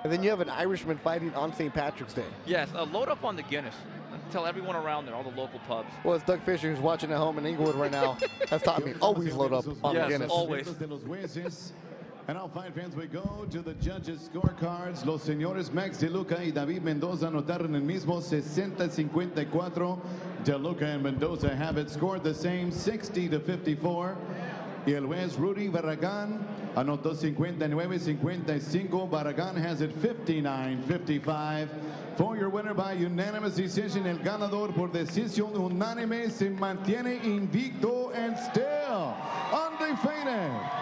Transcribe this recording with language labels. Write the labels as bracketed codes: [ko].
[en] And then you have an Irishman fighting on St. Patrick's Day. Yes, load up on the Guinness. Tell everyone around there, all the local pubs. Well, it's Doug Fisher who's watching at home in Inglewood right now. That's taught me. Always load up on the Guinness. Yes, always. And now, fine fans, we go to the judges' scorecards. [es] Los señores Max DeLuca y David Mendoza anotaron el mismo 60-54. [en] DeLuca and Mendoza have it scored the same 60-54. [es] Y el juez Rudy Barragán anotó 59-55. [en] Barragán has it 59-55. For your winner by unanimous decision, [es] el ganador por decisión unánime se mantiene invicto [en] and still undefeated.